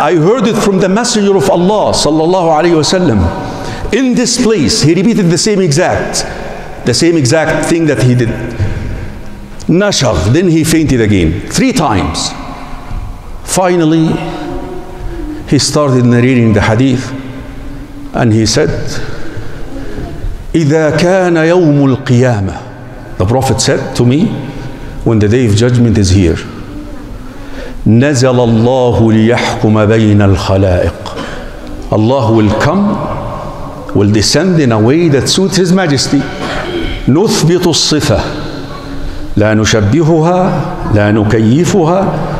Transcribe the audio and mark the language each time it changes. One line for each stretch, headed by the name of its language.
English: I heard it from the Messenger of Allah
Arabic: صلى الله عليه وسلم.
English: In this place, he repeated the same exact thing that he did.
Arabic: نشغ.
English: Then he fainted again. Three times. Finally, he started narrating the hadith. And he said,
Arabic: إذا كان يوم القيامة.
English: The Prophet said to me, when the day of judgment is here,
Arabic: نزل الله ليحكم بين الخلائق.
English: Allah will come, will descend in a way that suits His Majesty.
Arabic: نثبت الصفة. لا نشبهها، لا نكيفها.